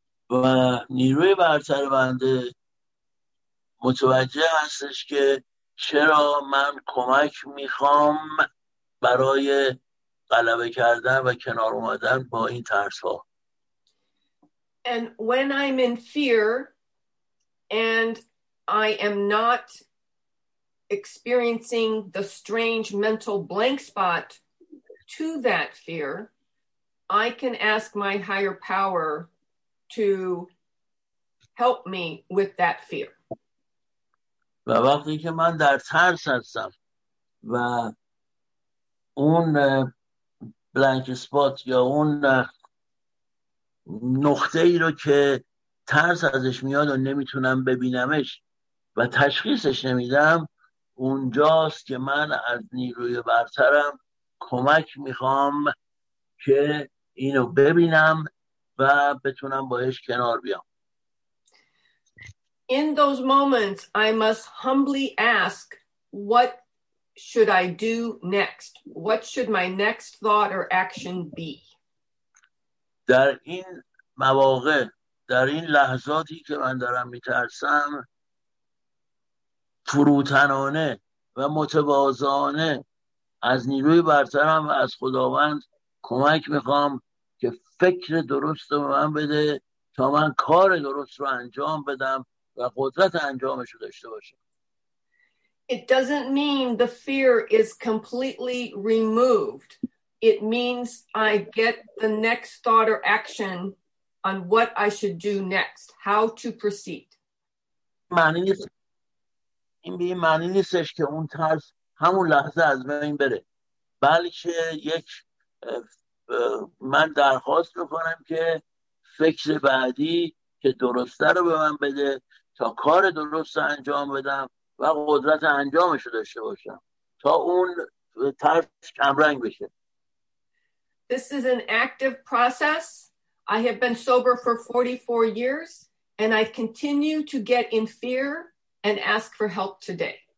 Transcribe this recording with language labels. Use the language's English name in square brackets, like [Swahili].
[Persian] و نیروی برتر بنده متوجه هستش که چرا من کمک میخوام برای غلبه کردن و کنار اومدن با این ترس ها. [English] And when I'm in fear and I am not experiencing the strange mental blank spot to that fear, I can ask my higher power to help me with that fear. [Persian] و وقتی که من در ترس هستم و اون بلانک اسپات یا اون نقطه ای رو که ترس ازش میاد و نمیتونم ببینمش و تشخیصش نمیدم، اونجاست که من از نیروی برترم کمک میخوام که اینو ببینم و بتونم باهاش کنار بیام. [English] In those moments, I must humbly ask, what should I do next? What should my next thought or action be? [Persian] در این مواقع، در این لحظاتی که من دارم میترسم، فروتنانه و متواضعانه از نیروی برترم و از خداوند کمک میخوام که فکر درست رو به من بده تا من کار درست رو انجام بدم و قدرت انجامش رو داشته باشه. [English] It doesn't mean the fear is completely removed. It means I get the next thought or action on what I should do next, how to proceed. [Persian] این معنی نیستش که اون ترس همون لحظه از بین بره. بلکه یک من درخواست می‌کنم که فکر بعدی که درسته رو به من بده تا کار درست انجام بدم و قدرت انجامش رو داشته باشم تا اون ترس کمرنگ بشه. [English] This is an active process. I have been sober for 44 years and I continue to get in fear and ask for help today.